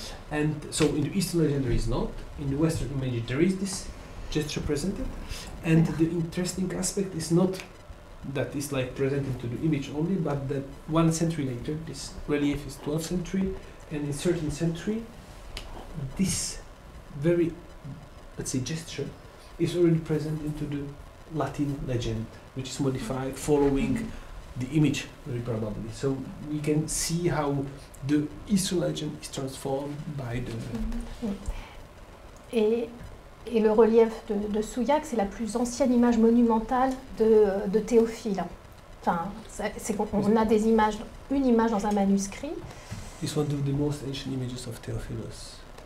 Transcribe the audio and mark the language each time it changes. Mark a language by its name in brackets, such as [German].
[English] And so in the Eastern legend there is not, in the Western image there is this gesture presented, and the interesting aspect is not that it's like presented to the image only, but that one century later, this relief is 12th century, and in 13th century, this very, let's say, gesture is already present into the Latin legend, which is modified following the image, very probably. So we can see how the Eastern legend is transformed by the... [French] Et Et le relief de Souillac, c'est la plus ancienne image monumentale de Théophile. Enfin, on a des images, une image dans un manuscrit. [English] It's one of the most ancient images of Theophilus.